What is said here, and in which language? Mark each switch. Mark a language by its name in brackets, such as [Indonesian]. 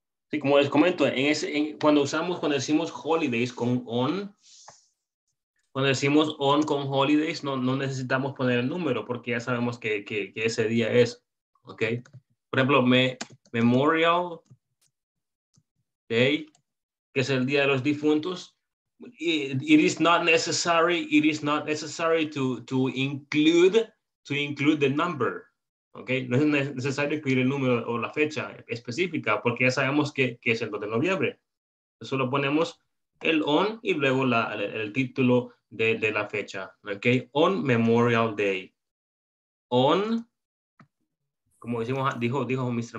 [Spanish] Sí, como les comento, cuando decimos holidays con on, cuando decimos on con holidays, no necesitamos poner el número porque ya sabemos que ese día es, okay. Por ejemplo, Memorial Day, que es el día de los difuntos. [English] It is not necessary to include the number, okay? [Spanish] No es necesario incluir el número o la fecha específica porque ya sabemos que es el 2 de noviembre. Solo ponemos el on y luego el título de la fecha, okay? [English] On Memorial Day. [Spanish] On, como decimos, dijo Mr.